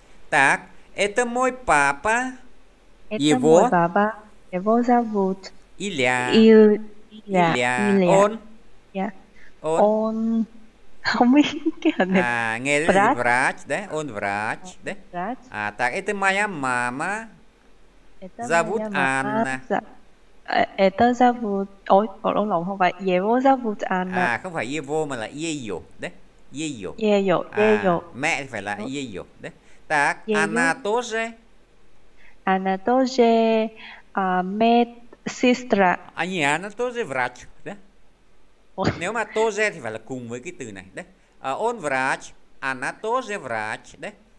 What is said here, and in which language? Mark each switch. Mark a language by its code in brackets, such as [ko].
[ru] Так, это мой папа, его зовут Илья, он, он, [vi] không biết cái hình này, nghe đấy, [ru] врач, врач [vi] đấy, [ru] он врач [vi] đấy, [ru] врач. Так, это моя мама, зовут Анна. Это зовут, [vi] ôi, lộn lộn không phải, [ru] его зовут Анна. [vi] Không phải его mà là ее, đấy, ее. [ru] Ее, ее. [vi] Mẹ thì phải là ее, đấy. [ru] Так, Анна тоже. Анна тоже, мед сестра. А не, Анна тоже врач, đấy. [vi] Nếu mà тоже thì phải là cùng với cái từ này, đấy. [ru] Он врач, Анна тоже врач, đấy.